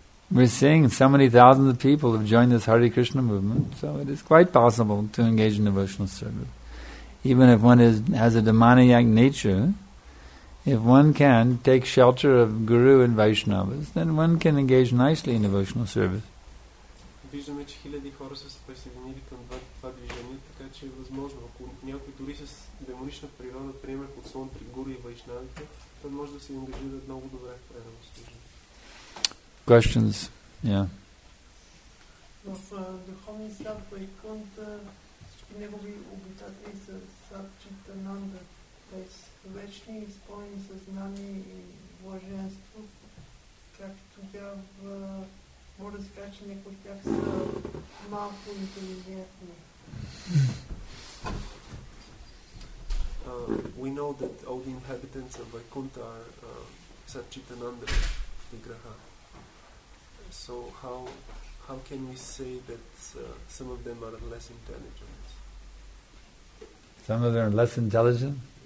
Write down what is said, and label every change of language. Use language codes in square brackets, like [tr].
[en] We're seeing so many thousands of people have joined this Hare Krishna movement, so it is quite possible to engage in devotional service. Even if one has a demoniac nature, if one can take shelter of Guru and Vaishnavas, then one can engage nicely in devotional service. [bg] Виждаме, че хиляди хора са се присъединили към това движение, така че е възможно. Ако някой дори с демонична природа приеме подслон при Гуру и Вайшнавите, той може да се ангажира много добре в предано служение. [en] Questions? Yeah. [bg] В духовния свят Вайкунта всички негови обитатели са Сат-Читананда. Вечни изпълнени съзнание и блаженство, как тогава може да се каже, че някои от тях са малко интелигентни. [en] We know that all the inhabitants of Vaikuntha are Satchitananda Vigraha. So how can we say that some of them are less intelligent? Some of them are less intelligent?